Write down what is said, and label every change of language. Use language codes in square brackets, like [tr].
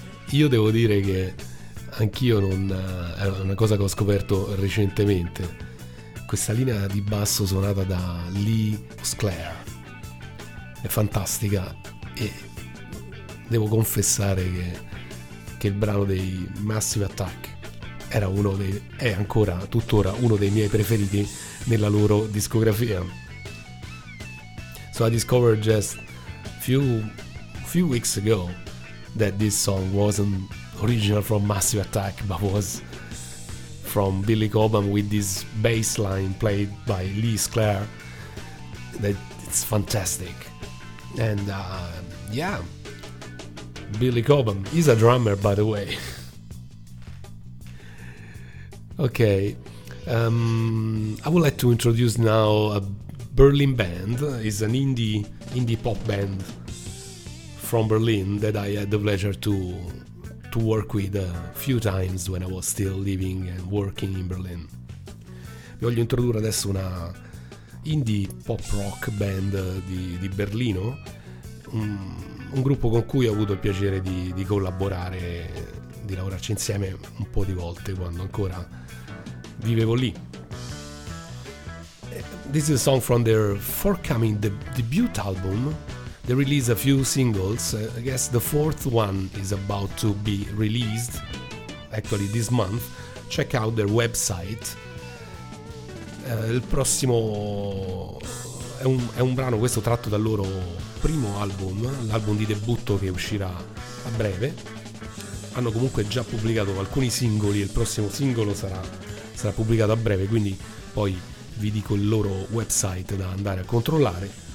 [it] Io devo dire che anch'io non... è una cosa che ho scoperto recentemente, questa linea di basso suonata da Lee Sclair è fantastica, e devo confessare che il brano dei Massive Attack è ancora tuttora uno dei miei preferiti nella loro discografia. [en] So I discovered just few weeks ago that this song wasn't original from Massive Attack, but was from Billy Cobham with this bass line played by Lee Sklar. That it's fantastic. And yeah, Billy Cobham is a drummer, by the way. Okay, I would like to introduce now a Berlin band. It's an indie pop band from Berlin that I had the pleasure to work with a few times when I was still living and working in Berlin. [it] Vi voglio introdurre adesso una indie pop rock band di Berlino, un gruppo con cui ho avuto il piacere di collaborare, di lavorarci insieme un po' di volte quando ancora vivevo lì. [en] This is a song from their forthcoming debut album. They released a few singles. I guess the fourth one is about to be released, actually this month. Check out their website. [it] Il prossimo è un brano, questo tratto dal loro primo album, l'album di debutto che uscirà a breve. Hanno comunque già pubblicato alcuni singoli e il prossimo singolo sarà pubblicato a breve, quindi poi vi dico il loro website da andare a controllare.